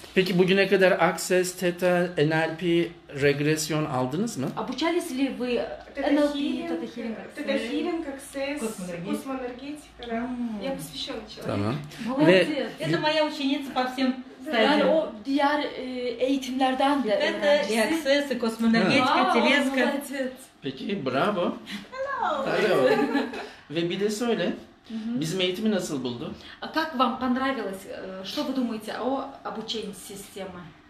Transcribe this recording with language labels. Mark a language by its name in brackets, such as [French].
[Turkish] Peki bugüne kadar Access, Theta, NLP, Regresyon aldınız mı? [Russian] Обучались ли вы NLP, Theta Healing? Theta Healing, Access, Космоэнергетика, да. Я посвященный человек. [Turkish] Tamam. [Russian] Молодец. Это моя ученица по всем [Turkish] Yani o diğer eğitimlerden de öğrencisi. Kosmoenergetika, Teleska. Peki, bravo. [English] Hello. Hello. [Turkish] Ve bir de söyle, bizim eğitimi nasıl buldu? [Russian] Как вам понравилось? Что вы думаете о обучении системы?